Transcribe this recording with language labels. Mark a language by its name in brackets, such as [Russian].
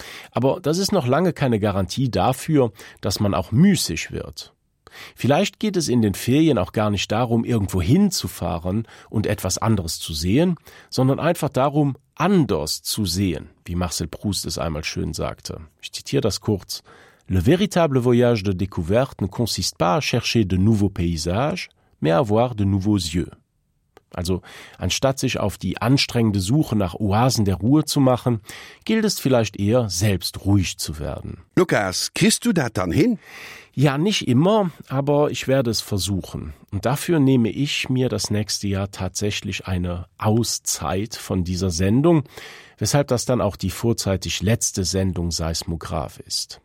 [German] Aber das ist noch lange keine Garantie dafür, dass man auch müßig wird. Vielleicht geht es in den Ferien auch gar nicht darum, irgendwo hinzufahren und etwas anderes zu sehen, sondern einfach darum, anders zu sehen, wie Marcel Proust es einmal schön sagte. Ich zitiere das kurz. [French] Le véritable voyage de découverte ne consiste pas à chercher de nouveaux paysages, mais à voir de nouveaux yeux. [German] Also, anstatt sich auf die anstrengende Suche nach Oasen der Ruhe zu machen, gilt es vielleicht eher, selbst ruhig zu werden. Lukas, kriegst du das dann hin? Ja, nicht immer, aber ich werde es versuchen. Und dafür nehme ich mir das nächste Jahr tatsächlich eine Auszeit von dieser Sendung, weshalb das dann auch die vorzeitig letzte Sendung Seismograph ist.